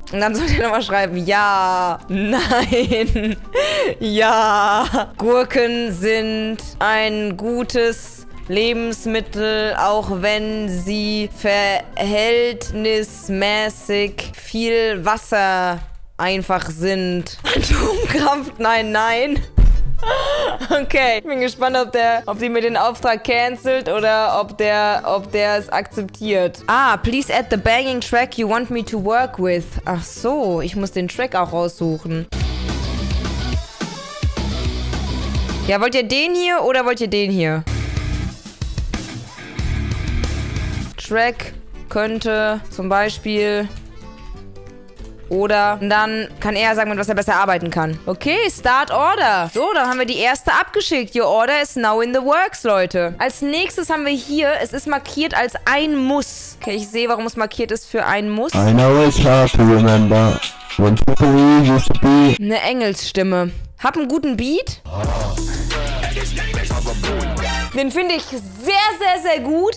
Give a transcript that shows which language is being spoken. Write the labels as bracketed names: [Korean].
[German] Und dann soll er nochmal schreiben, ja, nein, ja, Gurken sind ein gutes Lebensmittel, auch wenn sie verhältnismäßig viel Wasser einfach sind. Atomkraft, nein, nein. Okay, ich bin gespannt, ob die mir den Auftrag cancelt oder ob der es akzeptiert. [English] Ah, please add the banging track you want me to work with. [German] Ach so, ich muss den Track auch raussuchen. Ja, wollt ihr den hier oder wollt ihr den hier? Track könnte zum Beispiel... Oder dann kann er sagen, mit was er besser arbeiten kann. [English] Okay, start order. [German] So, dann haben wir die erste abgeschickt. [English] Your order is now in the works, Leute. [German] Als nächstes haben wir hier, es ist markiert als ein Muss. Okay, ich sehe, warum es markiert ist für ein Muss. [English] I know it's hard to remember. When people used to be. [German] Eine Engelsstimme. Hab einen guten Beat. Den finde ich sehr, sehr, sehr gut.